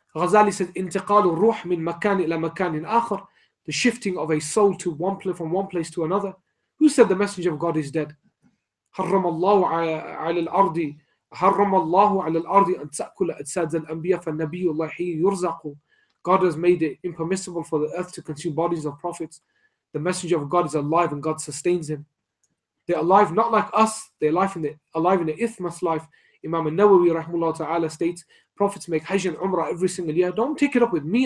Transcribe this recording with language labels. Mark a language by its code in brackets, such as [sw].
[en] Ghazali said, [ar] انتقال الروح من مكان إلى مكان آخر. [en] The shifting of a soul to one place, from one place to another. Who said the Messenger of God is dead? [ar] حرم الله على الأرض حرم الله على الأرض أن تأكل أجساد الأنبياء فالنبي الله حي يرزق. [en] God has made it impermissible for the earth to consume bodies of prophets. The Messenger of God is alive and God sustains him. They're alive not like us. They're alive in the ithmas life. Imam al-Nawawi rahmullah ta'ala states, prophets make Hajj and Umrah every single year. Don't take it up with me.